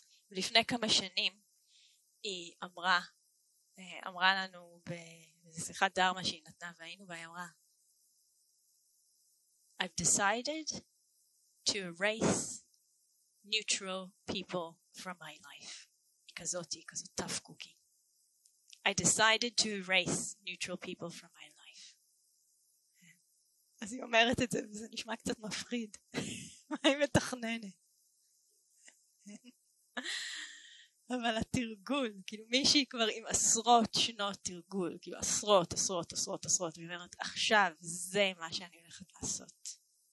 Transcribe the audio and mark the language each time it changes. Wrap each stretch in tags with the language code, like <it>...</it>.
<he>לפני כמה שנים היא אמרה לנו בשיחת דרמה שהיא נתנה, והיינו בה, היא אמרה,</he> <en>I've decided to erase neutral people from my life.</en> <he>היא כזאת</he> <en>tough cookie. I decided to erase neutral people from my life.</en> <he>אז היא אומרת את זה, וזה נשמע קצת מפחיד. מה היא מתכננת? אבל התרגול, כאילו מישהי כבר עם עשרות שנות תרגול, כאילו עשרות, עשרות, עשרות, עשרות, והיא אומרת, עכשיו זה מה שאני הולכת לעשות.</he>